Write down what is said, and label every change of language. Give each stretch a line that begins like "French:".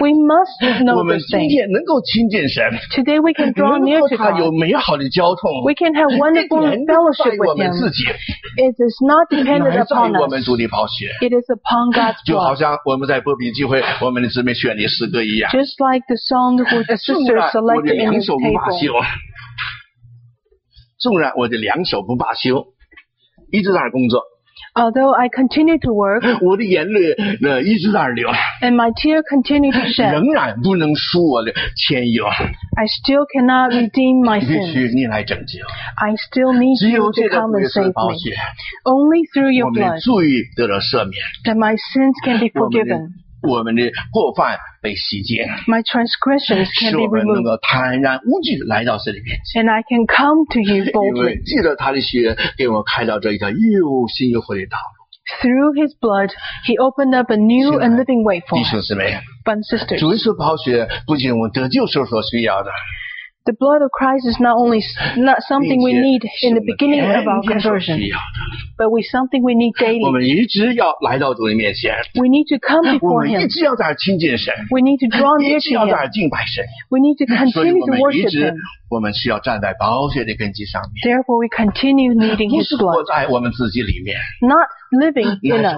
English: We must know this thing.
Chinese: 我们今天能够亲近神。
English: Today we can draw near to God.
Chinese: 能够他有美好的交通。
English: We can have wonderful fellowship with Him.
Chinese: 我们自己。
English: It is not dependent upon us.
Chinese: 我们主的宝血。
English: It is upon God's blood.
Chinese: 就好像我们在播饼聚会，我们的姊妹选的诗歌一样。
English: Just like the song which sister selected in this table.
Chinese: 纵然我的两手不罢休，一直在那工作。
English: Although I continue to work,
Chinese: 我的眼泪一直在流。
English: And my tear continue to shed,
Chinese: 仍然不能赎我的欠忧。
English: I still cannot redeem my sins.
Chinese: 必须你来拯救。
English: I still need you to come and save me.
Chinese: 只有借着主的宝血。
English: Only through your blood.
Chinese: 我们的罪得了赦免。
English: That my sins can be forgiven.
Chinese: 我们的过犯被洗净。
English: My transgressions can be removed.
Chinese: 使我们能够坦然无惧来到神的面前。
English: And I can come to you boldly.
Chinese: 因为借着他的血给我开到这一条又新又活的道路。
English: Through his blood, he opened up a new and living way for us.
Chinese: 弟兄姊妹。
English: But sisters.
Chinese: 主耶稣宝血不仅我们得救时候所需要的。
English: The blood of Christ is not something we need in the beginning of our conversion, but something we need daily.
Chinese: 我们一直要来到主的面前。
English: We need to come before Him.
Chinese: 我们一直要在亲近神。
English: We need to draw near to Him.
Chinese: 一直要在敬拜神。
English: We need to continue to worship Him.
Chinese: 我们需要站在宝血的根基上面。
English: Therefore, we continue needing His blood.
Chinese: 不是活在我们自己里面。
English: Not living in us.